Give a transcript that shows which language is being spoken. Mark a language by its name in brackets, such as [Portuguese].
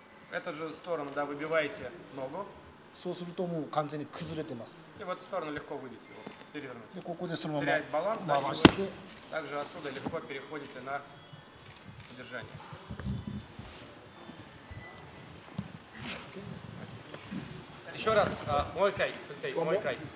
[Russian] Эту же сторону, да, выбиваете ногу. [Japanese] そうするともう完全に崩れてます. [Russian] И в эту сторону легко выйдете его, перевернуть. Теряет баланс, да, вы также отсюда легко переходите на удержание. Еще раз, [Japanese] мойкай, сенсей, мойкай.